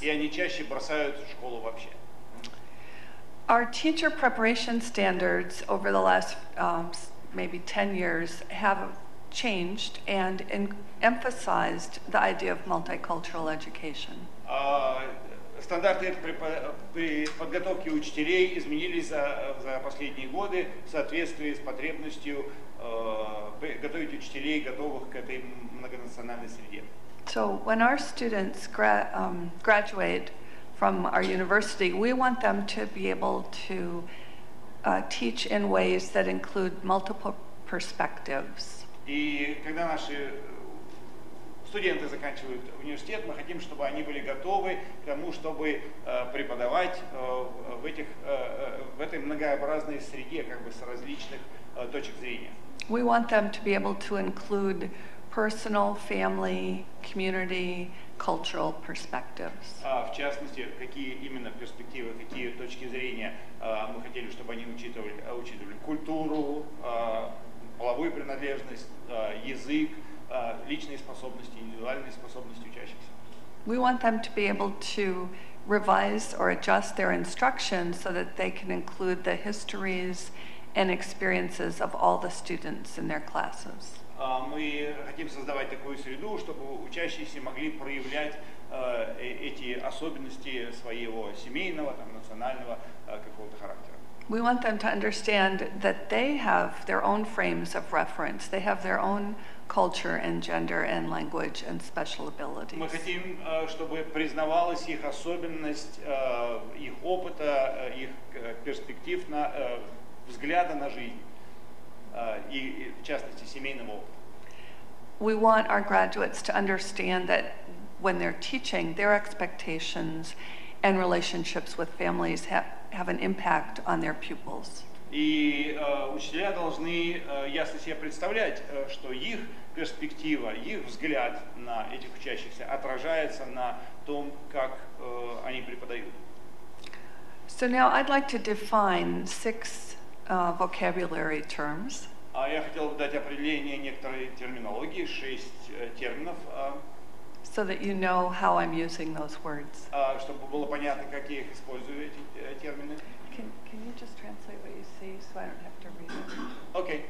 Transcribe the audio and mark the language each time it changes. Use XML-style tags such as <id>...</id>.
<ru>И они чаще бросают школу вообще.</ru> <en>Our teacher preparation standards over the last maybe 10 years have changed and emphasized the idea of multicultural education.</en> <ru>Стандарты при подготовке учителей изменились за последние годы в соответствии с потребностью готовить учителей, готовых к этой многонациональной среде.</ru> <en>So when our students graduate from our university, we want them to be able to teach in ways that include multiple perspectives.</en> <ru>И когда наши студенты заканчивают университет, мы хотим, чтобы они были готовы к тому, чтобы преподавать в этой многообразной среде, как бы с различных точек зрения.</ru> <en>We want them to be able to include personal, family, community, cultural perspectives.</en> <ru>В частности, какие именно перспективы, какие точки зрения мы хотели, чтобы они учитывали культуру, половую принадлежность, язык, личные способности, индивидуальные способности учащихся.</ru> <en>We want them to be able to revise or adjust their instruction so that they can include the histories and experiences of all the students in their classes.</en> <ru>Мы хотим создавать такую среду, чтобы учащиеся могли проявлять эти особенности своего семейного, там, национального какого-то характера.</ru> <en>We want them to understand that they have their own frames of reference. They have their own culture and gender and language and special abilities.</en> <ru>Мы хотим, чтобы признавалась их особенность, их опыта, их перспектив на взгляда на жизнь, и в частности семейного опыта.</ru> <en>We want our graduates to understand that when they're teaching, their expectations and relationships with families have an impact on their pupils.</en> <ru>И учителя должны ясно себе представлять, что их перспектива, их взгляд на этих учащихся отражается на том, как они преподают.</ru> <en>So now I'd like to define six vocabulary terms.</en> <ru>А я хотел бы дать определение некоторой терминологии, шесть терминов.</ru> <en>So that you know how I'm using those words.</en> <ru>Чтобы было понятно, как я их использую, эти термины.</ru> <en>Can you just translate what you say so I don't have to read it?</en>